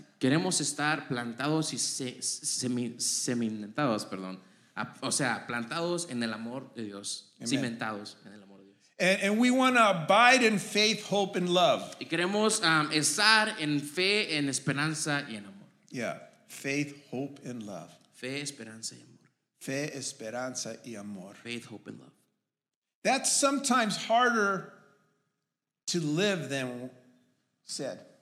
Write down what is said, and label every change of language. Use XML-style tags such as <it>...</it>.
<es>Queremos estar plantados y cimentados, perdón, o sea, plantados en el amor de Dios, cimentados en el amor de Dios.</es> <en>And we want to abide in faith, hope, and love.</en> <es>Y queremos estar en fe, en esperanza y en amor.</es> <en>Yeah. Faith, hope, and love.</en> <es>Fe, esperanza y amor. Fe, esperanza y amor.</es> <en>Faith, hope, and love. That's sometimes harder to live than said.</en>